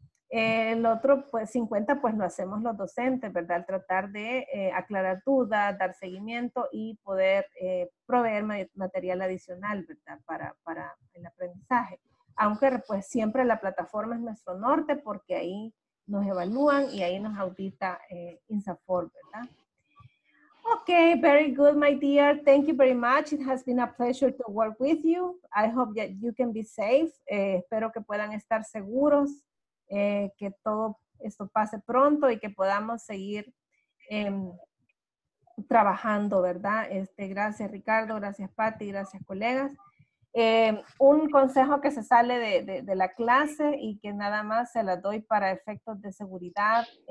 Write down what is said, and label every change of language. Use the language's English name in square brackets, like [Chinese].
[Spanish] El otro, pues, 50, pues, lo hacemos los docentes, ¿verdad? Al tratar de aclarar dudas, dar seguimiento y poder proveer material adicional, ¿verdad? Para el aprendizaje. Aunque, pues, siempre la plataforma es nuestro norte porque ahí nos evalúan y ahí nos audita INSAFOR, ¿verdad? [English] Okay, very good, my dear. Thank you very much. It has been a pleasure to work with you. I hope that you can be safe. [Spanish] Espero que puedan estar seguros. Que todo esto pase pronto y que podamos seguir trabajando, ¿verdad? Gracias Ricardo, gracias Patti, gracias colegas. Un consejo que se sale de la clase y que nada más se la doy para efectos de seguridad.